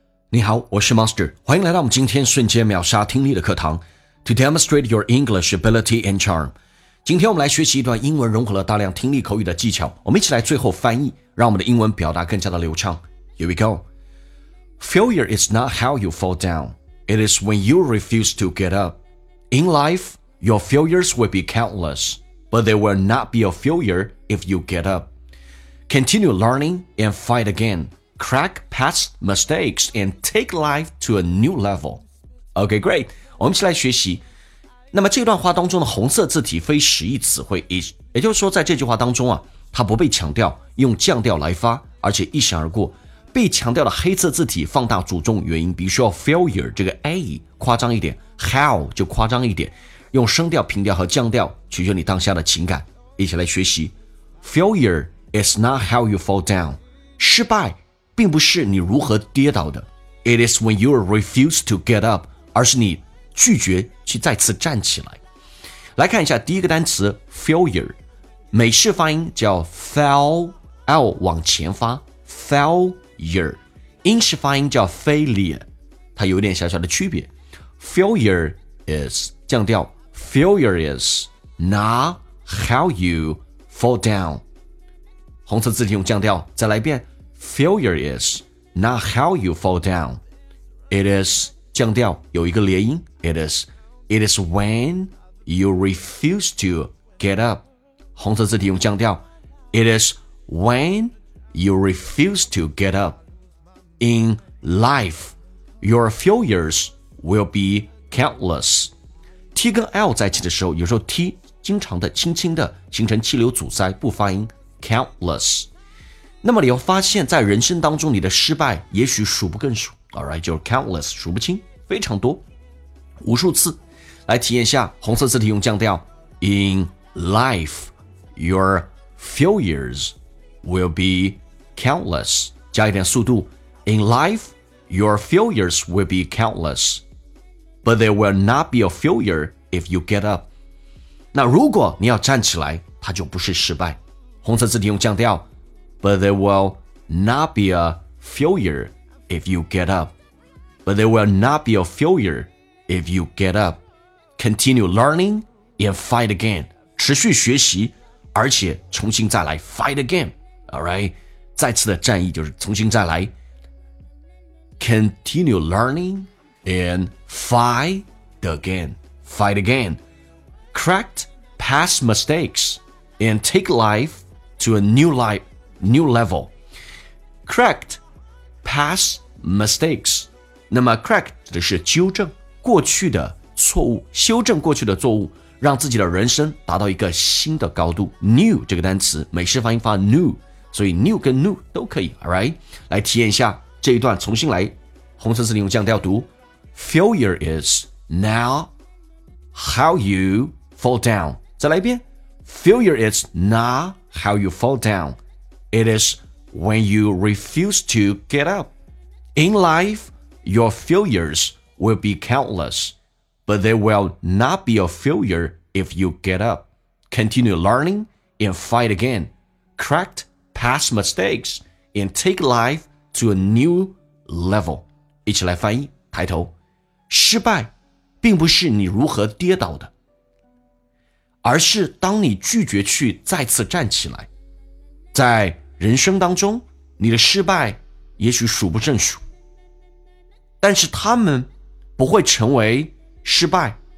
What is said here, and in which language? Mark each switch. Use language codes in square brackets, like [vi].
[zh] 你好，我是 Master， 欢迎来到我们今天瞬间秒杀听力的课堂 [en] To demonstrate your English ability and charm。 [zh] 今天我们来学习一段英文融合了大量听力口语的技巧，我们一起来最后翻译，让我们的英文表达更加的流畅。 [en] Here we go。 Failure is not how you fall down, it is when you refuse to get up. In life, your failures will be countless, but they will not be a failure if you get up. Continue learning and fight againCrack past mistakes and take life to a new level. OK, great. [zh] 我们一起来学习。那么这段话当中的红色字体非实义词汇，也就是说在这句话当中啊，它不被强调，用降调来发，而且一闪而过。被强调的黑色字体放大主重元音，比如说 failure 这个 A 夸张一点， how 就夸张一点，用声调、平调和降调取决你当下的情感。一起来学习。 [en] Failure is not how you fall down. [zh] 失败并不是你如何跌倒的。 [en] It is when you refuse to get up, [zh] 而是你拒绝去再次站起来。来看一下第一个单词 failure, 美式发音叫 fail, 往前发 failure, 英式发音叫 failure, 它有点小小的区别。 [en] failure is, [zh] 降调 [en] failure is not how you fall down, [zh] 红色字体用降调，再来一遍。 [en] Failure is not how you fall down. It is, [zh] 降调有一个连音。 [en] It is when you refuse to get up. [zh] 红色字体用降调。 [en] It is when you refuse to get up. In life, your failures will be countless. [zh] T 跟 L 在一起的时候，有时候 T 经常的轻轻的形成气流阻塞，不发音 countless。那么你要发现在人生当中你的失败也许数不更数 Alright, 就是 countless, 数不清，非常多，无数次。来体验一下红色字体用降调。 [en] In life, your failures will be countless. [zh] 加一点速度。 [en] In life, your failures will be countless, but there will not be a failure if you get up. [zh] 那如果你要站起来，它就不是失败。红色字体用降调。 [en] But there will not be a failure if you get up. But there will not be a failure if you get up. Continue learning and fight again. [zh] 持续学习，而且重新再来 [en] fight again. [zh] All right, 再次的战役就是重新再来。 [en] Continue learning and fight again. Fight again. Correct past mistakes and take life to a new life. New level. Correct past mistakes. [zh] 那么 correct 的是纠正过去的错误，修正过去的错误，让自己的人生达到一个新的高度。 New 这个单词美式发音发 new， 所以 new 跟 new 都可以。 Alright， 来体验一下这一段，重新来，红色字体用降调读。 [en] Failure is not how you fall down. [zh] 再来一遍。 [en] Failure is not how you fall downIt is when you refuse to get up. In life, your failures will be countless, but they will not be a failure if you get up. Continue learning and fight again. Correct past mistakes and take life to a new level. [zh] 一起来翻译，抬头。失败并不是你如何跌倒的，而是当你拒绝去再次站起来。在人生当中，你的失败也许数不胜数，但是他们不会成为失败。